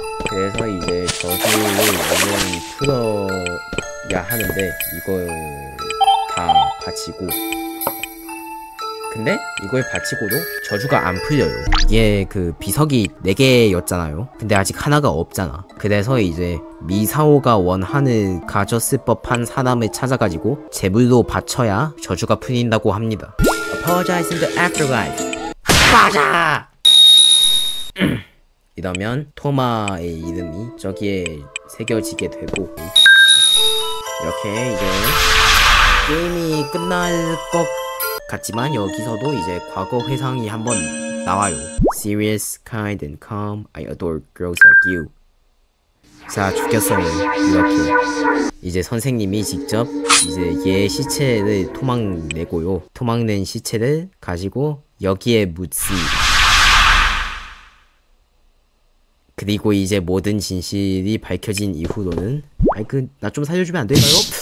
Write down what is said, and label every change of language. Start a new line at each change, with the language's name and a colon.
Korean: 그래서 이제 저주를 완전히 풀어야 하는데 이걸 다 바치고 근데 이걸 바치고도 저주가 안 풀려요. 이게 그 비석이 4개였잖아요. 근데 아직 하나가 없잖아. 그래서 이제 미사오가 원한을 가졌을 법한 사람을 찾아가지고 제물로 바쳐야 저주가 풀린다고 합니다.
English: Apologize in the afterlife.
Korean: 맞아! 이러면 토마의 이름이 저기에 새겨지게 되고 이렇게 이제 게임이 끝날 것 같지만 여기서도 이제 과거 회상이 한번 나와요.
English: Serious, kind and calm, I adore girls like you.
Korean: 자 죽였어요. 이렇게 이제 선생님이 직접 이제 얘 시체를 토막내고요. 토막낸 시체를 가지고 여기에 묻습니다. 그리고 이제 모든 진실이 밝혀진 이후로는 아이 그 나 좀 살려주면 안 될까요?